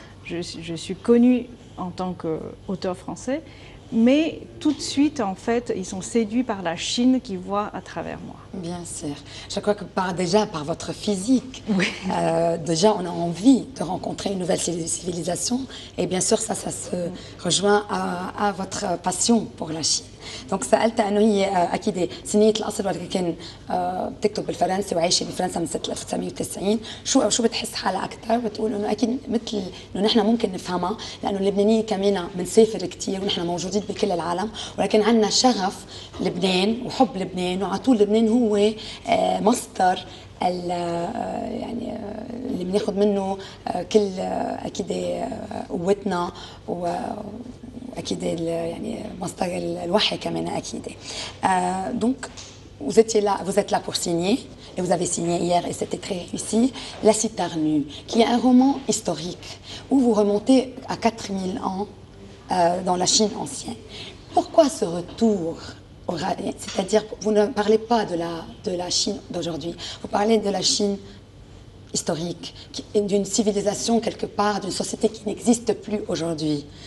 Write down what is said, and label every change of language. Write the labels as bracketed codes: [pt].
[fr] Je suis connue en tant qu'auteur français, mais tout de suite, en fait, ils sont séduits par la Chine qu'ils voient à travers moi. Bien sûr. Je crois que par votre physique, oui. Déjà, on a envie de rencontrer une nouvelle civilisation. Et bien sûr, ça se rejoint à votre passion pour la Chine. [ar] دونك سألت أنه هي أكيد سنية الأصل ولكن كان بتكتب بالفرنسي وعايشة بفرنسا من سنة 1990 شو بتحس حالها أكثر؟ بتقول أنه أكيد مثل أنه نحن ممكن نفهمها لأنه اللبنانيين كمان بنسافر كثير ونحن موجودين بكل العالم ولكن عندنا شغف لبنان وحب لبنان وعلى طول لبنان هو مصدر يعني اللي بناخذ منه كل أكيد قوتنا و أكيد يعني مصدر الوحي كمان أكيد. [fr] Donc vous êtes là pour signer et vous avez signé hier et c'était très réussi La Cithare nue qui est un roman historique où vous remontez à 4000 ans dans la Chine ancienne. Pourquoi ce retour aura, c'est-à-dire vous ne parlez pas de la Chine d'aujourd'hui, vous parlez de la Chine historique, d'une civilisation quelque part, d'une société qui n'existe plus aujourd'hui.